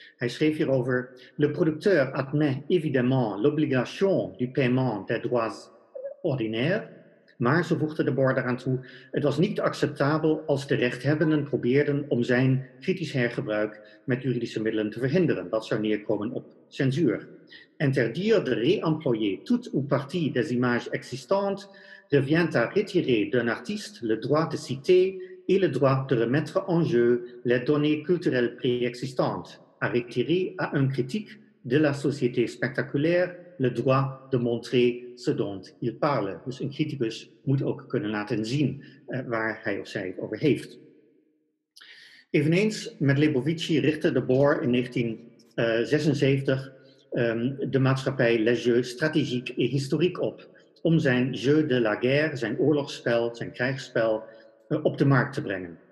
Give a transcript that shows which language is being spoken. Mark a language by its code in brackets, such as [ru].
[nl] Hij schreef hierover: [fr] Le producteur admet évidemment l'obligation du paiement des droits ordinaires, [nl] maar zo voegde de Boer eraan toe, het was niet acceptabel als de rechthebbenden probeerden om zijn kritisch hergebruik met juridische middelen te verhinderen. Dat zou neerkomen op censuur. [fr] Interdire de réemployer toute ou partie des images existantes revient à retirer d'un artiste le droit de citer et le droit de remettre en jeu les données culturelles préexistantes. À retirer à un critique de la société spectaculaire le droit de montrer ce dont il parle. [nl] Dus een criticus moet ook kunnen laten zien waar hij of zij het over heeft. Eveneens met Lebovici richtte de Boer in 1976 de maatschappij Les Jeux Stratégiques et Historiques op, om zijn jeu de la guerre, zijn oorlogsspel, zijn krijgsspel, op de markt te brengen.